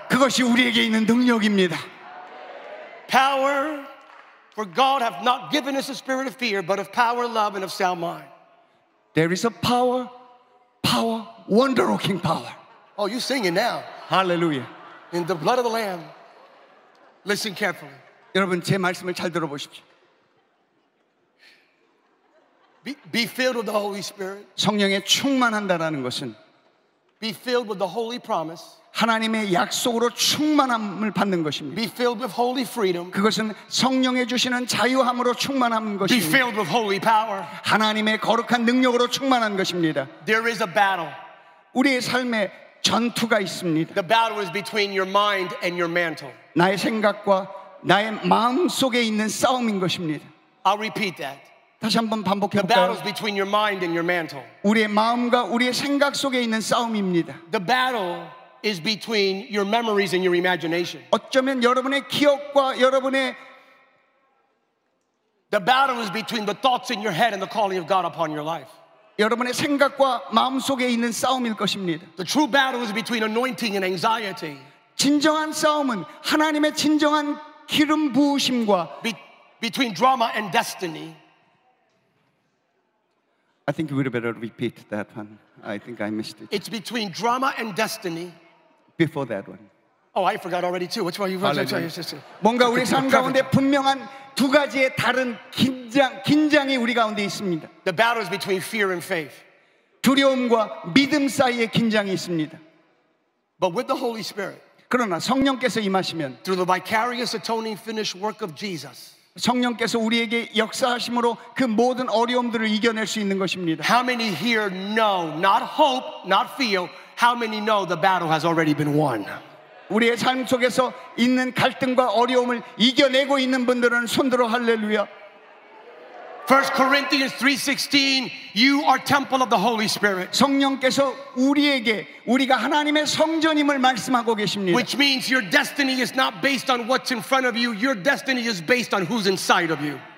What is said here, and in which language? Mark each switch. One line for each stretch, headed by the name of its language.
Korean: 그것이 우리에게 있는 능력입니다.
English: Power, for God hath not given us a spirit of fear, but of power, love, and of sound mind. There is a power, power, wonder-working power. Oh, you sing it now. Hallelujah. In the blood of the Lamb. Listen carefully.
Korean: 여러분 제 말씀을 잘 들어보십시오.
English: Be filled with the Holy Spirit.
Korean: 성령에 충만한다라는 것은
English: Be filled with the holy promise.
Korean: 하나님의 약속으로 충만함을 받는 것입니다.
English: Be filled with holy freedom.
Korean: 그것은 성령에 주시는 자유함으로 충만한 것입니다.
English: Be filled with holy power.
Korean: 하나님의 거룩한 능력으로 충만한 것입니다.
English: There is a battle.
Korean: 우리의 삶에 전투가 있습니다.
English: The battle is between your mind and your mantle.
Korean: 나의 생각과 나의 마음 속에 있는 싸움인 것입니다.
English: I'll repeat that.
Korean: 다시 한번 반복해 볼까요?
English: The battle is between your mind and your mantle.
Korean: 우리의 마음과 우리의 생각 속에 있는 싸움입니다.
English: The battle is between your memories and your imagination.
Korean: 어쩌면 여러분의 기억과 여러분의
English: The battle is between the thoughts in your head and the calling of God upon your life.
Korean: 여러분의 생각과 마음 속에 있는 싸움일 것입니다.
English: The true battle is between anointing and anxiety.
Korean: 진정한 싸움은 하나님의 진정한 기름 부으심과
English: between drama and destiny. I think we'd better repeat that one. I think I missed it. It's between drama and destiny. Before that one. Oh, I forgot already too. Which one you forgot? Hallelujah.
Korean: 뭔가 우리 삶 가운데 분명한 두 가지의 다른 긴장이 우리 가운데 있습니다.
English: The battle is between fear and faith.
Korean: 두려움과 믿음 사이의 긴장이 있습니다.
English: But with the Holy Spirit.
Korean: 그러나 성령께서 임하시면
English: through the vicarious atoning finished work of Jesus.
Korean: 성령께서 우리에게 역사하심으로 그 모든 어려움들을 이겨낼 수 있는 것입니다.
English: How many here know, not hope, not feel, how many know the battle has already been won?
Korean: 우리의 삶 속에서 있는 갈등과 어려움을 이겨내고 있는 분들은 손들어 할렐루야.
English: 1 Corinthians 3:16, you are temple of the Holy Spirit.
Korean: 성령께서 우리에게 우리가 하나님의 성전임을 말씀하고 계십니다.
English: Which means your destiny is not based on what's in front of you. Your destiny is based on who's inside of you.